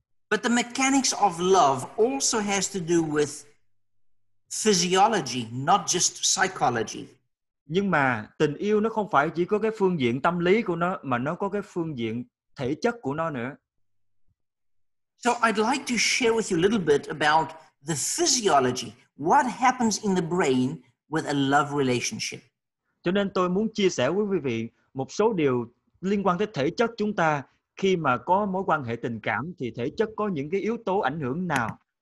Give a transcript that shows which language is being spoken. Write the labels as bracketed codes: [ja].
[en] But the mechanics of love also has to do with physiology, not just psychology. [vi] Nhưng mà tình yêu nó không phải chỉ có cái phương diện tâm lý của nó mà nó có cái phương diện thể chất của nó nữa. [en] So I'd like to share with you a little bit about the physiology. What happens in the brain with a love relationship. [vi] Cho nên tôi muốn chia sẻ với quý vị một số điều liên quan tới thể chất chúng ta khi mà có mối quan hệ tình cảm thì thể chất có những cái yếu tố ảnh hưởng nào.